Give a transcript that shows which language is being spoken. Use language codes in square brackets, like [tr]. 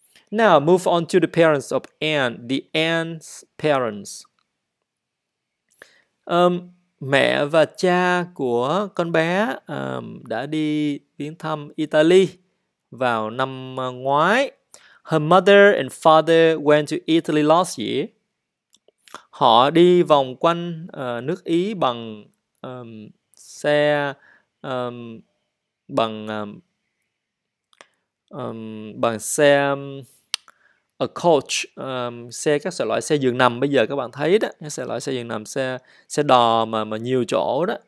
[en] Now move on to the parents of Anne, the Anne's parents. [vi] Mẹ và cha của con bé đã đi viếng thăm Italy vào năm ngoái. [en] Her mother and father went to Italy last year. [vi] Họ đi vòng quanh nước Ý bằng xe bằng bằng xe a coach, xe các loại xe giường nằm bây giờ các bạn thấy đó, các loại xe giường nằm, xe xe đò mà nhiều chỗ đó.